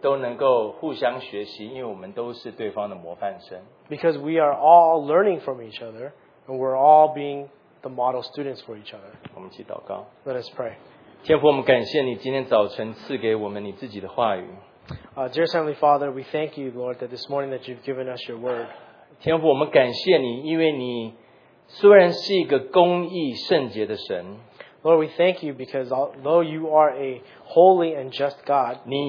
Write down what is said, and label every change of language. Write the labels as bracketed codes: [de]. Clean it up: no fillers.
[zh] 都能够互相学习，因为我们都是对方的模范生。 [en] Because we are all learning from each other, and we're all being the model students for each other. [zh] 我们一起祷告。 [en] Let us pray. [zh] 天父，我们感谢你今天早晨赐给我们你自己的话语。 [en] Dear Heavenly Father, we thank you, Lord, that this morning that you've given us your word. [zh] 天父，我们感谢你，因为你 虽然是一个公义圣洁的神， [en] Lord, we thank you because although you are a holy and just God,